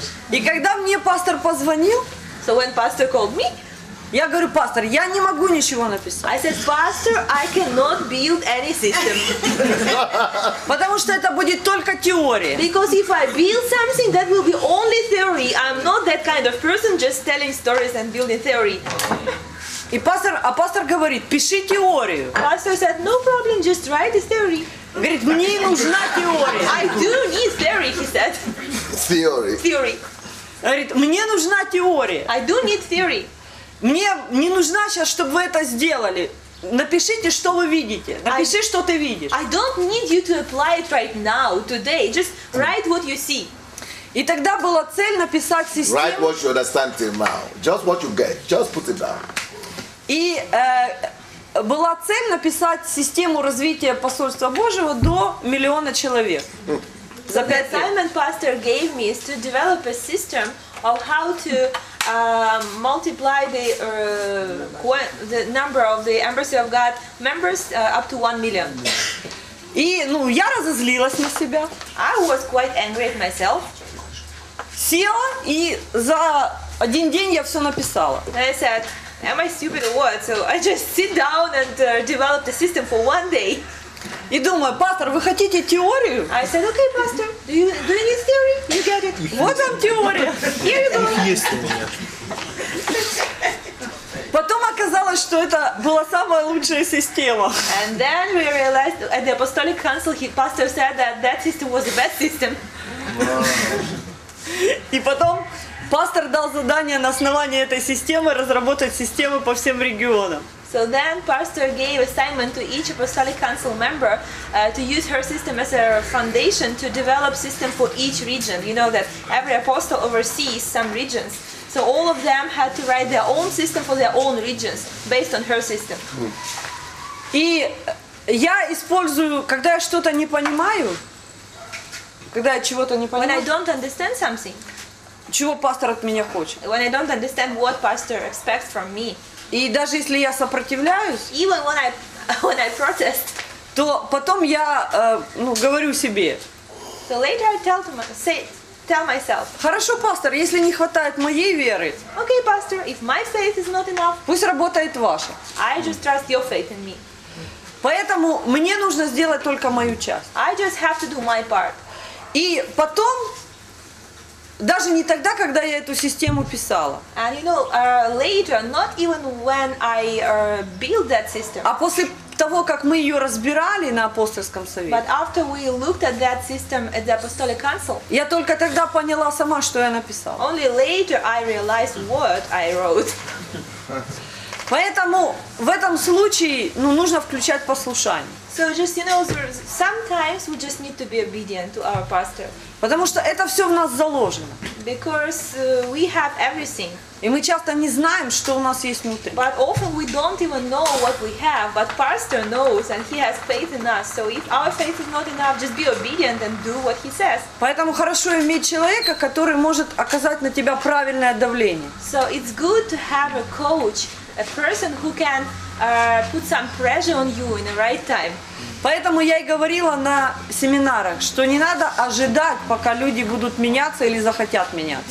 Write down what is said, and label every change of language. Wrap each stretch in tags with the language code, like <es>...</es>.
<ru>И когда мне пастор позвонил,</ru> <en>so when pastor called me,</en> <ru>я говорю, пастор, я не могу ничего написать.</ru> <en>I said, pastor, I cannot build any system.</en> <ru>Потому что это будет только теория.</ru> <en>Because if I build something, that will be only theory. I'm not that kind of person, just telling stories and building theory.</en> <ru>И пастор, а пастор говорит, пиши теорию.</ru> <en>Pastor said, no problem, just write this theory.</en> <ru>Говорит, мне нужна теория.</ru> <en>I do need theory, he said. Theory. Theory.</en> <ru>Говорит, мне нужна теория.</ru> <en>I do need theory.</en> <ru>Мне не нужна сейчас, чтобы вы это сделали. Напишите, что вы видите. Напиши, что ты видишь.</ru> <en>I don't need you to apply it right now, today. Just write what you see.</en> <ru>И тогда была цель написать систему.</ru> <en>Write what you understand till now. Just what you get. Just put it down.</en> <ru>И была цель написать систему развития посольства Божьего до миллиона человек. За пять лет.</ru> <en>The assignment pastor gave me is to develop a system of how to multiply the number of the Embassy of God members up to 1 million.</en> <ru>И, ну, я разозлилась на себя.</ru> <en>I was quite angry at myself.</en> <ru>Села и за один день я все написала.</ru> <en>And I said, am I stupid or what? So I just sit down and develop the system for one day.</en> <ru>И думаю, пастор, вы хотите теорию?</ru> <en>I said, okay, pastor, do you need theory? You get it.</en> <ru>Вот вам теория.</ru> <en>Here you go.</en> <ru>Есть теория. Потом оказалось, что это была самая лучшая система.</ru> <en>And then we realized, at the apostolic council, the pastor said that that system was the best system.</en> <ru>И потом пастор дал задание на основании этой системы разработать систему по всем регионам.</ru> <en>So then pastor gave assignment to each apostolic council member to use her system as a foundation to develop system for each region. You know that every apostle oversees some regions. So all of them had to write their own system for their own regions based on her system.</en> <ru>И я использую, когда я что-то не понимаю, когда я чего-то не понимаю.</ru> <en>When I don't understand something.</en> <ru>Чего пастор от меня хочет?</ru> <en>When I don't understand what pastor expects from me.</en> <ru>И даже если я сопротивляюсь,</ru> <en>even when I protest,</en> <ru>то потом я говорю себе.</ru> <en>So later I tell myself.</en> <ru>Хорошо, пастор, если не хватает моей веры.</ru> <en>Okay, pastor, if my faith is not enough,</en> <ru>пусть работает ваша.</ru> <en>I just trust your faith in me.</en> <ru>Поэтому мне нужно сделать только мою часть.</ru> <en>I just have to do my part.</en> <ru>И потом. Даже не тогда, когда я эту систему писала.</ru> <en>And you know, later, not even when I built that system.</en> <ru>А после того, как мы ее разбирали на апостольском совете.</ru> <en>But after we looked at that system at the apostolic council.</en> <ru>Я только тогда поняла сама, что я написала.</ru> <en>Only later I realized what I wrote.</en> <ru>Поэтому в этом случае, ну, нужно включать послушание.</ru> <en>So just, you know, sometimes we just need to be obedient to our pastor.</en> <ru>Потому что это все в нас заложено.</ru> <en>Because we have everything.</en> <ru>И мы часто не знаем, что у нас есть внутри.</ru> <en>But often we don't even know what we have, but pastor knows and he has faith in us. So if our faith is not enough, just be obedient and do what he says.</en> <ru>Поэтому хорошо иметь человека, который может оказать на тебя правильное давление.</ru> <en>So it's good to have a coach, a person who can put some pressure on you in the right time.</en> <ru>Поэтому я и говорила на семинарах, что не надо ожидать, пока люди будут меняться или захотят меняться.</ru>